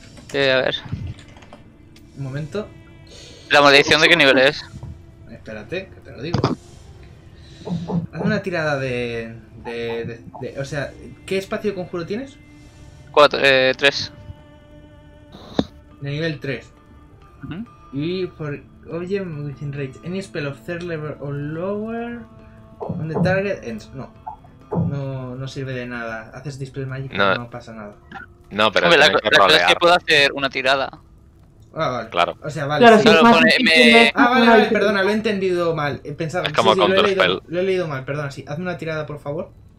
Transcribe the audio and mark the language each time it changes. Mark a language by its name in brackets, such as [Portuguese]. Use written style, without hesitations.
[Spanish] A ver. Un momento. ¿La maldición de qué nivel es? Espérate, que te lo digo. Haz una tirada de o sea, ¿qué espacio de conjuro tienes? 4, 3. De nivel 3. [English] Uh-huh. Y for object within range, any spell of third level or lower on the target ends. [Spanish] No sirve de nada. Haces Dispel Magic y no pasa nada. No, pero la cosa es que puedo hacer una tirada. Ah, vale. Claro. O sea, vale. Claro, sí. Si vale, perdona, lo he entendido mal. Pensaba, es como sí, Counter Spell. Lo he leído mal, perdona, sí. Hazme una tirada, por favor.